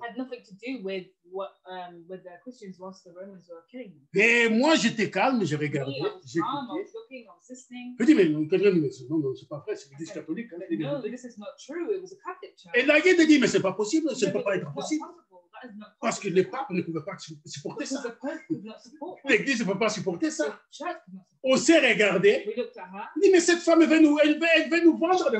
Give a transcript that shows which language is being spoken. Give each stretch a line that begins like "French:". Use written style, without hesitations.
English: Had nothing to do with the Christians whilst the Romans were killing them.
French: Et moi, j'étais calme, je regardais.
English: I was looking, I was listening.
French: Je dis, mais non, c'est pas vrai, c'est l'Église catholique.
English: No, this is not true, it was a Catholic church.
French: Et la guide dit, mais c'est pas possible, ça ne peut pas être possible.
English: Not
French: parce que le pape ne pouvait pas supporter
English: because
French: ça. L'Église ne peut pas supporter ça.
English: Support.
French: On s'est regardé.
English: We looked at her.
French: Dit, mais cette femme veut nous vendre des